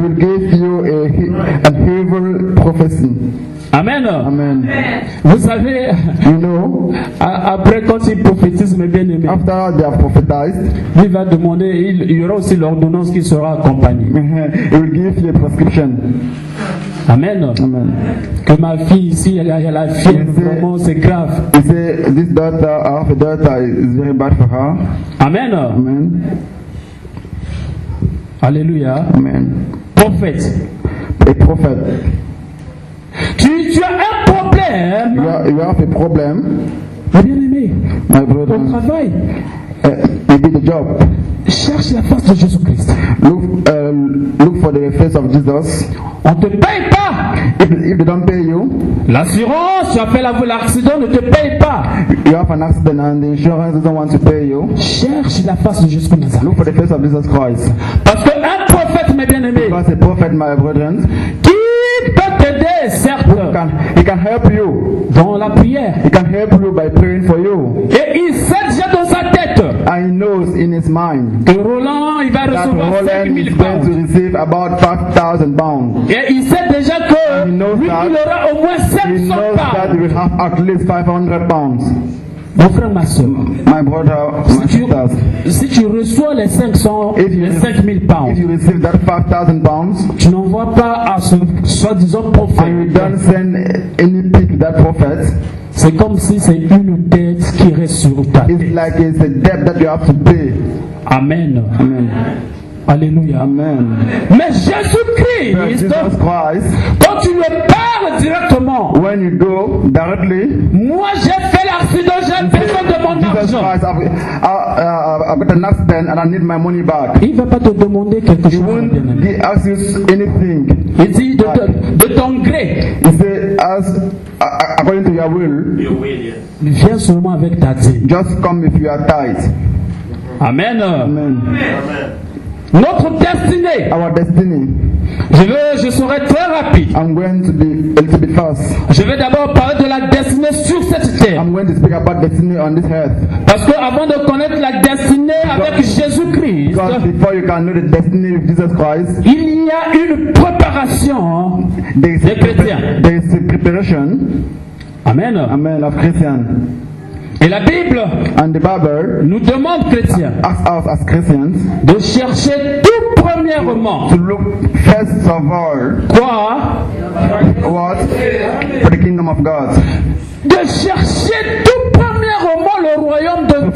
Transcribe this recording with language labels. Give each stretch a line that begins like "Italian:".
English: He will give you an evil prophecy. Amen. Amen.
French: Vous savez,
English: you know,
French: après quand ils prophétisent mes bien-aimés,
English: after they have prophesied,
French: il va demander, il y aura aussi l'ordonnance qui sera accompagnée.
English: He will give you a prescription. Amen. Amen.
French: Que ma fille ici, elle a la fièvre, vraiment, c'est grave.
English: He said, this daughter, half a daughter, is very bad for her. Amen. Amen. Alléluia. Amen.
French: Prophète.
English: A prophet.
French: Tu as un problème.
English: You have a problem.
French: Ma bien-aimée.
English: My brother.
French: Ton travail.
English: You did a job.
French: Cherche la face de Jésus-Christ.
English: Look for the face of Jesus.
French: On ne te paye pas.
English: If they don't pay you,
French: l'assurance, tu appelles à vous, l'accident ne te paye pas.
English: You have an accident and the insurance doesn't want to pay you.
French: Cherche la face de Jésus-Christ.
English: Look for the face of Jesus Christ.
French: Parce que un prophète, mes bien-aimés,
English: because a prophet, my brethren,
French: qui peut t'aider, certes,
English: he can help you
French: dans la prière.
English: He can help you by praying for you.
French: Et il sait déjà dans sa tête.
English: And he knows in his mind
French: que Roland, il va recevoir 5,000 pounds.
English: Going to receive about 5,000 pounds.
French: Et il sait déjà que lui, il aura au moins 700 pounds.
English: He knows pounds. That he will have at least 500 pounds.
French: Mon frère, ma soeur,
English: my brother,
French: si tu reçois les 5,000 pounds,
English: if you receive that 5,000 pounds,
French: tu n'envoies pas à ce soi-disant prophète.
English: And you don't send any pick that prophet.
French: C'est comme si c'est une dette qui reste sur ta tête.
English: It's like it's a debt that you have to pay. Amen. Amen. Alléluia. Amen.
French: Mais Jésus-Christ, quand tu me parles directement,
English: when you go directly,
French: moi j'ai fait l'accident, j'ai besoin de mon argent.
English: I've got an accident and I need my money back.
French: Il ne va pas te demander quelque chose.
English: He won't be asking anything.
French: Il dit de ton gré.
English: He said, as according to your will. Your will, yes.
French: Viens seulement avec ta dîme.
English: Just come if you are tight. Amen. Amen. Amen.
French: Notre destinée.
English: Our destiny.
French: Je serai très rapide.
English: I'm going to be a little bit fast.
French: Je vais d'abord parler de la destinée sur cette terre.
English: I'm going to speak about destiny on this earth.
French: Parce que avant de connaître la destinée avec Jésus-Christ,
English: because before you can know the destiny of Jesus Christ,
French: il y a une préparation des chrétiens.
English: There is a preparation. Amen. Amen of Christians.
French: Et la Bible,
English: and the Bible
French: nous demande, chrétiens,
English: as Christians,
French: de chercher tout premièrement
English: to look first of all,
French: quoi,
English: what, for the kingdom of God.
French: De chercher tout premièrement le royaume de